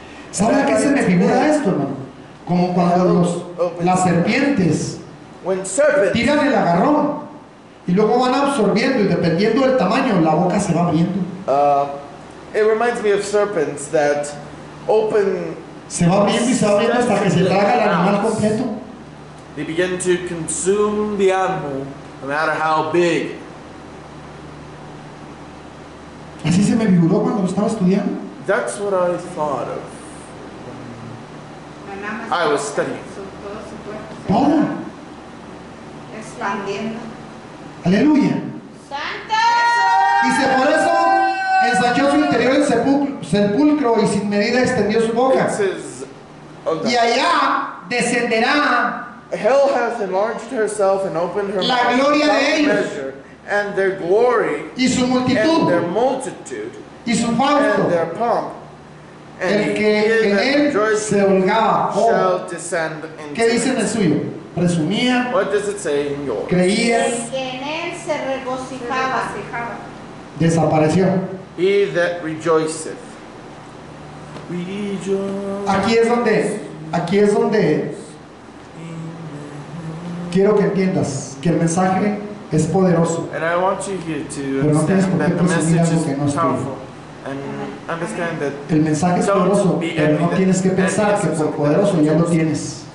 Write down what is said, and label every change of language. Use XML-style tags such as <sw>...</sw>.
<es>¿Sabe a qué se me figura esto, hermano? Como cuando las serpientes tiran el agarrón y luego van absorbiendo y dependiendo del tamaño, la boca se va abriendo.</es> <en>It reminds me of serpents that open.</en> <es>Se va abriendo y se va abriendo hasta que se traga el animal completo.</es> <en>They begin to consume the animal, no matter how big.</en> <es>Así se me figuró cuando lo estaba estudiando.</es> <en>That's what I thought of. I was studying.</en> <es>¿Todo? Expandiendo. Aleluya. Santo. Dice, por eso ensanchó su interior en sepulcro y sin medida extendió su boca. Y allá descenderá.</es> <en>Hell has enlarged herself and opened her</en> <es>la gloria</es> <en>mouth</en> <es>de ellos.</es> <en>Measure, and their glory</en> <es>y su multitud.</es> <en>And their multitude</en> <es>y su fausto.</es> <en>And their pomp.</en> <es>El que en él se holgaba. Oh. ¿Qué dice en el suyo? Presumía.</es> <en>What does it say in yours?</en> <es>Creía. El que en él se regocijaba. Desapareció.</es> <en>He that rejoiceth. Rejoice.</en> <es>Aquí es donde quiero que entiendas que el mensaje es poderoso.</es> <en>And I want you here to understand that the message is powerful. And</en> <es>el mensaje es poderoso, pero no tienes que pensar que por poderoso ya lo tienes.</es>